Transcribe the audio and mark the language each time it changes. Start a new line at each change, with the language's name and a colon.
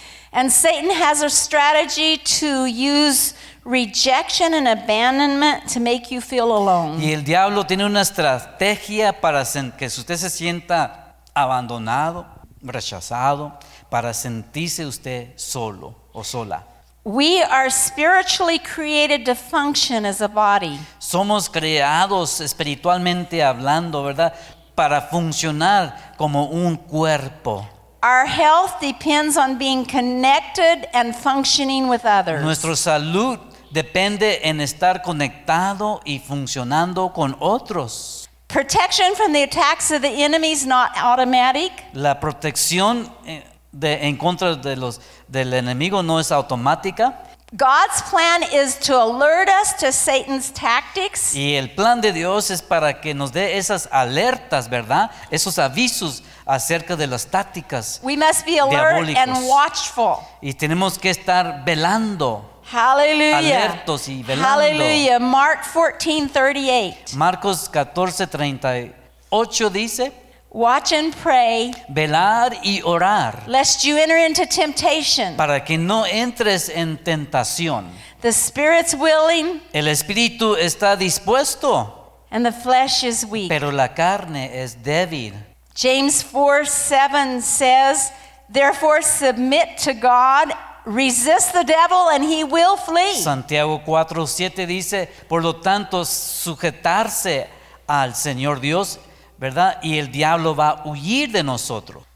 English: And Satan has a strategy to use rejection and abandonment to make you feel alone.
Spanish: Y el diablo tiene una estrategia para que usted se sienta abandonado, rechazado, para sentirse usted solo o sola.
English: We are spiritually created to function as a body.
Spanish: Somos creados espiritualmente hablando, ¿verdad? Para funcionar como un cuerpo.
English: Our health depends on being connected and functioning with others.
Spanish: Nuestra salud depende en estar conectado y funcionando con otros.
English: Protection from the attacks of the enemy is not automatic.
Spanish: La protección en contra de del enemigo no es automática.
English: God's plan is to alert us to Satan's tactics.
Spanish: Y el plan de Dios es para que nos dé esas alertas, ¿verdad? Esos avisos acerca de las tácticas.
English: We must be alert and watchful.
Spanish: Y tenemos que estar velando. Hallelujah. Alertos y velando.
English: Hallelujah. Mark 14:38.
Spanish: Marcos 14:38 dice,
English: Watch and pray.
Spanish: Velar y orar.
English: Lest you enter into temptation.
Spanish: Para que no entres en tentación.
English: The spirit's willing.
Spanish: El espíritu está dispuesto.
English: And the flesh is weak.
Spanish: Pero la carne es débil.
English: James 4:7 says, therefore submit to God, resist the devil and he will flee.
Spanish: Santiago 4:7 dice, por lo tanto, sujetarse al Señor Dios, ¿verdad? Y el diablo va a huir de nosotros.